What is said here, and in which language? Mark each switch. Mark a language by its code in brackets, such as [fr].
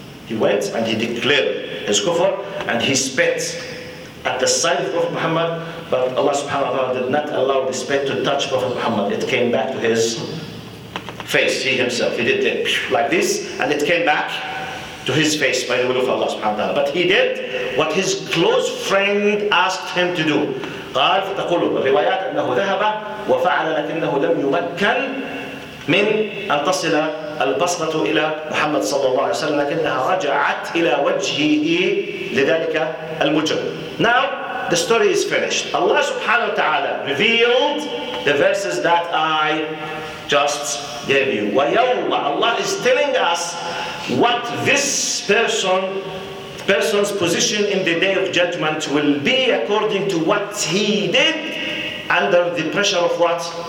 [en] He went and he declared his kufr and he spit at the side of Prophet Muhammad, but Allah subhanahu wa ta'ala did not allow the spit to touch Prophet Muhammad. It came back to his face, he himself. He did it like this, and it came back to his face by the will of Allah subhanahu wa ta'ala. But he did what his close friend asked him to do. [ar] قال فتقول الروايات أنه ذهب وفعل لكنه لم يمكن من أن تصل البصرة إلى محمد صلى الله عليه وسلم لكنها رجعت إلى وجهه لذلك المجرم. [en] Now the story is finished. Allah سبحانه وتعالى revealed the verses that I just gave you. ويوم Allah is telling us what this person's position in the day of judgment will be according to what he did under the pressure of what?